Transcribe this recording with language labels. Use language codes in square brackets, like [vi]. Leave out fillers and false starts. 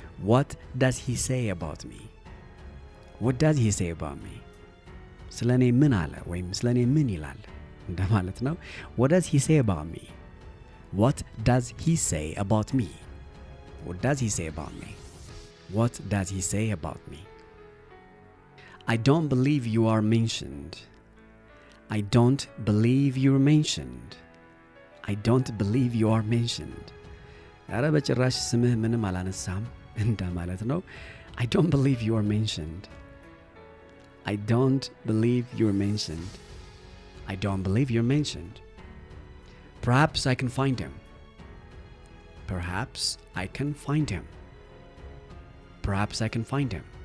[en] what does he say about me what does he say about me [am] ስለኔ ምን አለ ወይም ስለኔ ምን ይላል እንደማለት ነው [en] what does he say about me what does he say about me what does he say about me what does he say about me I don't believe you are mentioned. I don't believe you're mentioned. I don't believe you are mentioned. [am] ኧረ በጭራሽ ስምህ ምንም አላነሳም እንደማለት ነው. [en] I don't believe you are mentioned. I don't believe you're mentioned. I don't believe you're mentioned. Perhaps I can find him. Perhaps I can find him. Perhaps I can find him.